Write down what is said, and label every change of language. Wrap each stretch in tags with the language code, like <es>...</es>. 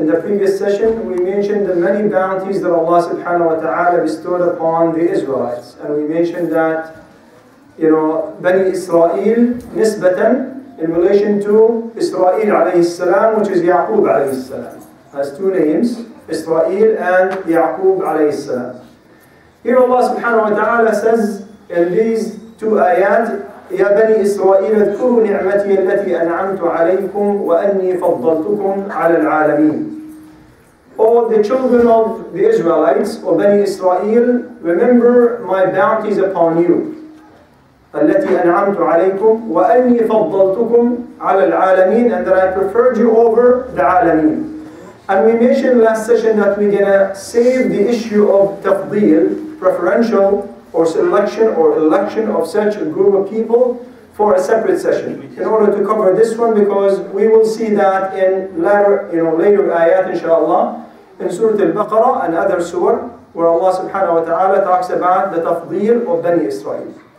<en>In the previous session, we mentioned the many bounties that Allah subhanahu wa ta'ala bestowed upon the Israelites. And we mentioned that, you know, Bani Israel, nisbatan, in relation to Israel alayhi salam, which is Yaqub alayhi salam, has two names, Israel and Yaqub alayhi salam. Here Allah subhanahu wa ta'ala says in these two ayat,</en> <ar>يا بني إسرائيل اذكروا نعمتي التي أنعمت عليكم وأني فضلتكم على العالمين.</ar> <en>All the children of the Israelites, or Bani Israel, remember my bounties upon you.</en> <ar>التي أنعمت عليكم وأني فضلتكم على العالمين,</ar> <en>and that I preferred you over the عالمين. And we mentioned last session that we're gonna save the issue of تفضيل, preferential, or selection or election of such a group of people for a separate session in order to cover this one, because we will see that in later ayat inshallah in Surah Al-Baqarah and other surah where Allah subhanahu wa ta'ala talks about the tafdeel of Bani Israel.</en>